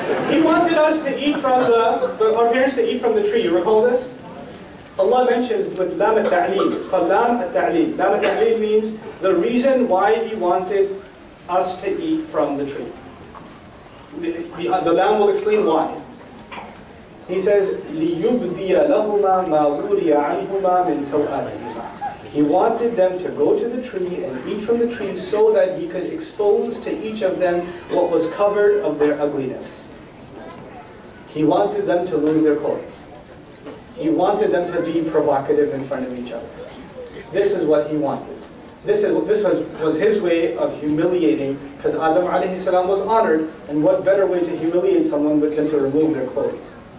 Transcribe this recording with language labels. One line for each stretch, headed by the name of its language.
English: He wanted us to eat from our parents to eat from the tree, you recall this? Allah mentions with lam al-ta'leem, it's called lam al-ta'leem. Lam al-ta'leem means the reason why he wanted us to eat from the tree. The lam will explain why. He says,
Arabic: لِيُبْدِيَ لَهُمَا مَا وُرِيَ عَنْهُمَا مِنْ سَوْآتِهِمَا.
English: He wanted them to go to the tree and eat from the tree so that he could expose to each of them what was covered of their ugliness. He wanted them to lose their clothes. He wanted them to be provocative in front of each other. This is what he wanted. This was his way of humiliating, because Adam alayhi salam was honored, and what better way to humiliate someone but than to remove their clothes?